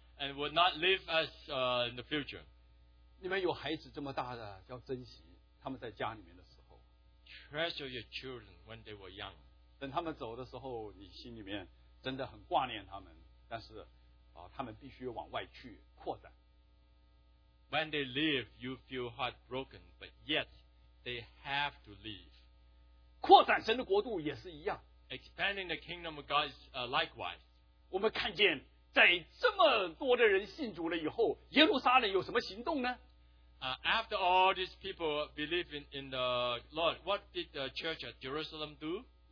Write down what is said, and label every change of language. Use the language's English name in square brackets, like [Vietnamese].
[English] And will not leave us in the future. [Chinese] 你们有孩子这么大的，要珍惜他们在家里面的时候。 [English] treasure your children when they were young. [Chinese] 等他们走的时候, 你心里面真的很挂念他们, 但是, 他们必须往外去, 扩展。 [English] When they leave, you feel heartbroken, but yet they have to leave. [Chinese] 扩展神的国度也是一样。 [English] Expanding the kingdom of God is likewise. [Chinese] 我们看见, 在这么多的人信主了以后, 耶路撒冷有什么行动呢? [English] After all these people believe in the Lord, what did the church at Jerusalem do?